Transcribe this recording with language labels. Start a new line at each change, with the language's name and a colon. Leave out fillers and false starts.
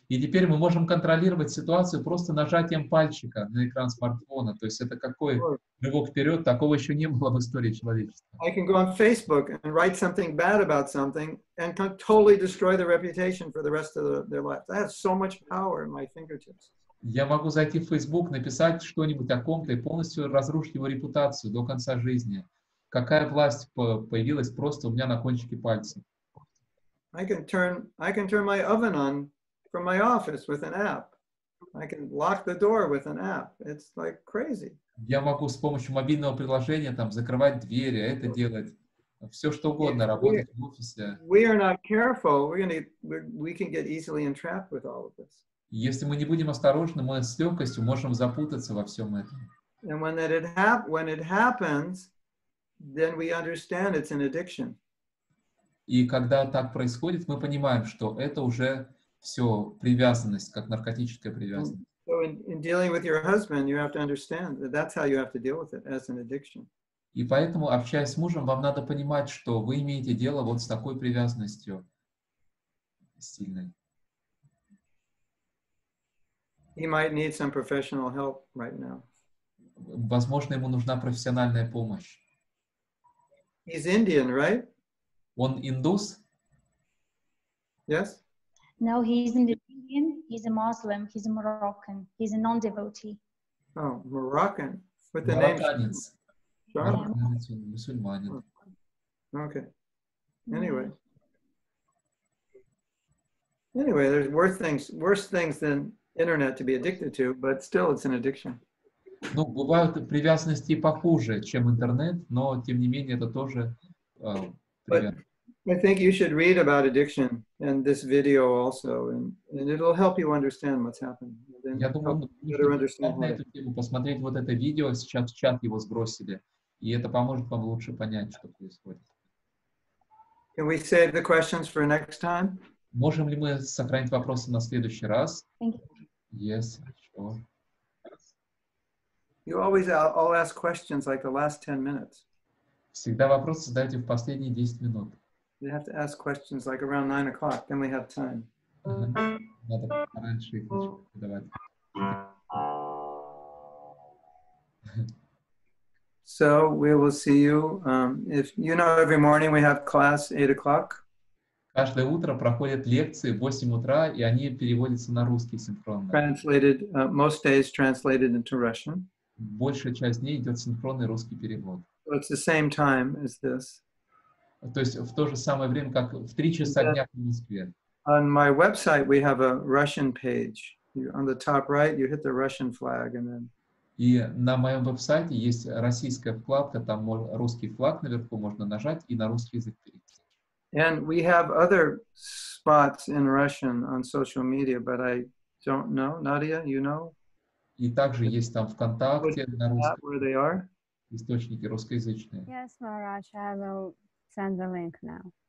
Russian: И теперь мы можем контролировать ситуацию просто нажатием пальчика на экран смартфона. То есть это какой рывок вперед, такого еще не было в истории человечества.
English: I can go on Facebook and write something bad about something and totally destroy their reputation for the rest of their life. I have so much power in my fingertips.
Russian: Я могу зайти в Facebook, написать что-нибудь о ком-то и полностью разрушить его репутацию до конца жизни. Какая власть появилась просто у меня на кончике пальца?
English: I can turn my oven on from my office with an app. I can lock the door with an app. It's like crazy.
Russian: Я могу с помощью мобильного приложения там закрывать двери, это делать, все что угодно, работать в офисе.
English: We are not careful. We can get easily entrapped with all of this.
Russian: Если мы не будем осторожны, мы с легкостью можем запутаться во всем этом.
English: And when it happens, then we understand it's an addiction.
Russian: И когда так происходит, мы понимаем, что это уже все привязанность, как наркотическая привязанность.
English: So in dealing with your husband, you have to understand that that's how you have to deal with it, as an addiction.
Russian: И поэтому, общаясь с мужем, вам надо понимать, что вы имеете дело вот с такой привязанностью сильной.
English: He might need some professional help right now.
Russian: Возможно, ему нужна профессиональная помощь.
English: He's Indian, right?
Russian: Он индус?
English: Yes? No, he's an Indian, he's a Muslim, he's a Moroccan, he's a non-devotee. Oh, Moroccan. With the name?
Russian: Марокканец. Марокканец, он мусульманин.
English: Okay. Anyway, there's worse things than internet to be addicted to, but still it's an addiction.
Russian: Ну, бывают привязанности похуже, чем интернет, но тем не менее это тоже
English: I think you should read about addiction and this video also, and it'll help you understand what's happening.
Russian: Я думаю,
English: better understand
Russian: на эту тему, посмотреть вот это видео, сейчас в чат его сбросили, и это поможет вам лучше понять, что происходит.
English: Can we save the questions for next time?
Russian: Можем ли мы сохранить вопросы на следующий раз?
English: Yes, sure. You always all ask questions like the last 10 minutes.
Russian: Всегда вопросы задаете в последние 10 минут.
English: You have to ask questions like around 9 o'clock, then we have time.
Russian: Надо пораньше их задавать.
English: So we will see you. If you know, every morning we have class 8 o'clock.
Russian: Каждое утро проходят лекции в 8 утра, и они переводятся на русский синхронно.
English: Translated, most days translated into Russian.
Russian: Большая часть дней идет синхронный русский перевод.
English: So it's the same time as this.
Russian: То есть в то же самое время, как в 3 часа дня в Москве.
English: On my website we have a Russian page. On the top right you hit the Russian flag and then...
Russian: И на моем веб-сайте есть российская вкладка, там русский флаг наверху, можно нажать и на русский язык перейти.
English: And we have other spots in Russian on social media, but I don't know. Nadia, you know?
Russian: И также есть там ВКонтакте на русском.
English: Where they are?
Russian: Источники русскоязычные.
English: Yes, Maharaj, I will send the link now.